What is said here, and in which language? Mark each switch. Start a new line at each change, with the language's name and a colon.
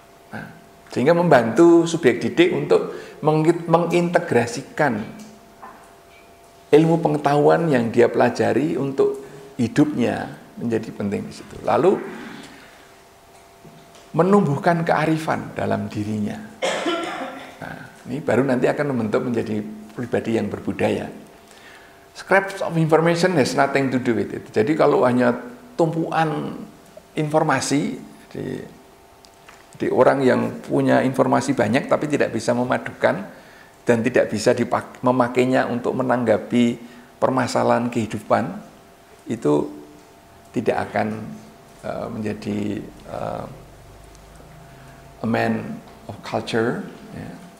Indonesian: Nah, sehingga membantu subjek didik untuk mengintegrasikan ilmu pengetahuan yang dia pelajari untuk hidupnya, menjadi penting di situ. Lalu menumbuhkan kearifan dalam dirinya. Nah, ini baru nanti akan membentuk menjadi pribadi yang berbudaya.
English: Scraps of information has nothing to do with it.
Indonesian: Jadi kalau hanya tumpuan informasi, di orang yang punya informasi banyak tapi tidak bisa memadukan dan tidak bisa memakainya untuk menanggapi permasalahan kehidupan, itu tidak akan menjadi
English: a man of culture
Indonesian: ya.